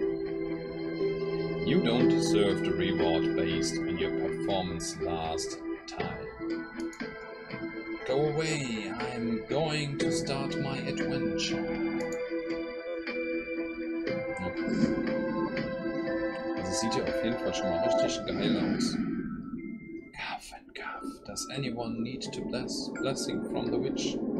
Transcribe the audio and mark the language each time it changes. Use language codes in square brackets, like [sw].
[en] You don't deserve the reward based on your performance last time. Go away, I'm going to start my adventure. [de] Also sieht ja auf jeden Fall schon mal richtig geil aus. [en] Cuff and cuff, does anyone need to bless blessing from the witch?